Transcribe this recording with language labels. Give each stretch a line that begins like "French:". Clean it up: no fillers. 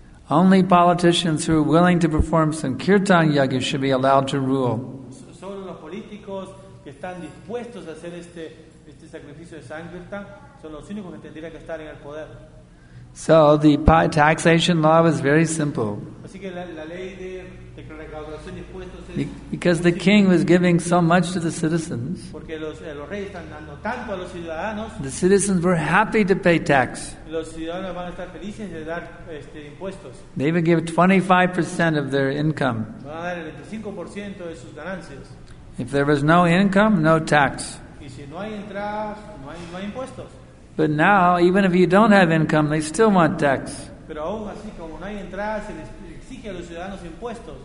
English: Only politicians who are willing to perform sankirtan yagya should be allowed to rule.
Spanish: Solo los políticos que están dispuestos a hacer este sacrificio de sankirtan son los únicos que tendrían que estar en el poder.
English: So the taxation law is very simple.
Spanish: Así que la ley de recaudación de impuestos es
English: because the king was giving so much to the citizens.
Spanish: Porque los reyes están dando tanto a los ciudadanos.
English: The citizens were happy to pay tax.
Spanish: Los ciudadanos van a estar felices de dar impuestos.
English: They would give 25% of their income.
Spanish: Van a dar el 25% de sus ganancias.
English: If there was no income, no tax.
Spanish: Y si no hay entradas, no hay impuestos.
English: But now, even if you don't have income, they still want tax.
Spanish: Pero aún así, como no hay entradas, se les exige a los ciudadanos impuestos.